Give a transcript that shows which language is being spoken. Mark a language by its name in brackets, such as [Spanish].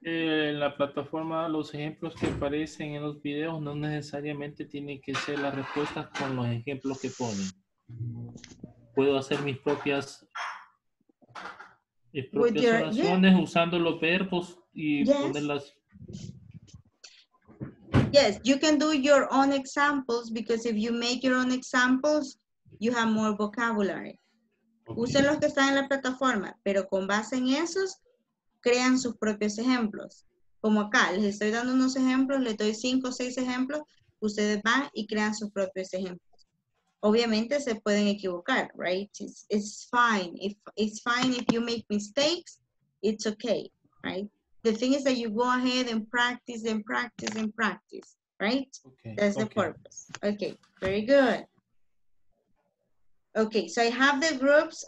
[Spanish] En la plataforma, los ejemplos que aparecen en los videos no necesariamente tienen que ser las respuestas con los ejemplos que ponen. Puedo hacer mis propias oraciones usando los verbos y ponerlas. [English] Yes, you can do your own examples because if you make your own examples, you have more vocabulary. Okay. [Spanish] Usen los que están en la plataforma, pero con base en esos, crean sus propios ejemplos. Como acá, les estoy dando unos ejemplos, les doy 5 o 6 ejemplos, ustedes van y crean sus propios ejemplos. Obviamente se pueden equivocar, right? [English] It's fine. It's fine if you make mistakes, it's okay, right? The thing is that you go ahead and practice and practice and practice, right? Okay. That's the purpose. Okay, very good. Okay, so I have the groups.